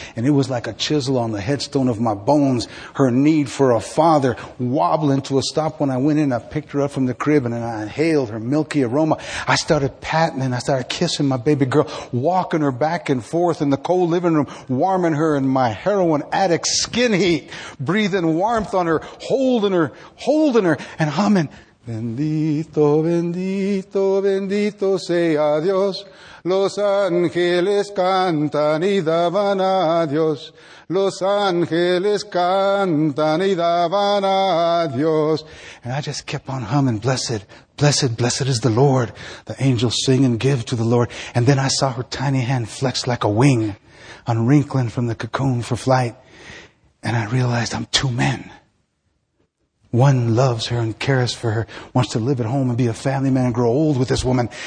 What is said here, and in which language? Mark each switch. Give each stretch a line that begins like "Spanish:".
English: And it was like a chisel on the headstone of my bones. Her need for a father wobbling to a stop when I went in. I picked her up from the crib and I inhaled her milky aroma. I started patting and I started kissing my baby girl, walking her back and forth in the cold living room, warming her in my heroin addict skin heat, breathing warmth on her, holding her and humming.
Spanish: Bendito, bendito, bendito sea Dios. Los ángeles cantan y daban a Dios. Los ángeles cantan y daban a Dios.
English: And I just kept on humming, blessed, blessed, blessed is the Lord. The angels sing and give to the Lord. And then I saw her tiny hand flex like a wing, unwrinkling from the cocoon for flight. And I realized I'm two men. One loves her and cares for her, wants to live at home and be a family man and grow old with this woman.